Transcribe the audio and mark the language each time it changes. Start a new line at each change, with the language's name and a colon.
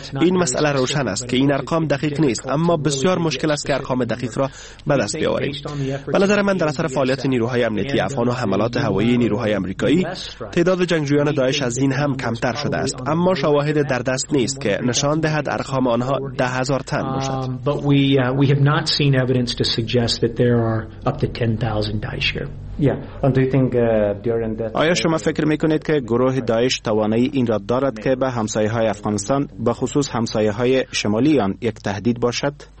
Persian: این مسئله روشن است که این ارقام دقیق نیست، اما بسیار مشکل است که ارقام دقیق را به دست بیاوریم. به نظر من در اثر فعالیت نیروهای امنیتی افغان و حملات هوایی نیروهای آمریکایی، تعداد جنگجویان داعش از این هم کمتر شده است، اما شواهد در دست نیست که نشان دهد ارقام آنها 10,000 تن باشد.
English: But we have not seen evidence to suggest that there are up to 10,000 Daesh here. Yeah. And do you think
Persian: آیا شما فکر میکنید که گروه داعش توانایی این را دارد که به همسایه های افغانستان، به خصوص همسایه های شمالی آن، یک تهدید باشد؟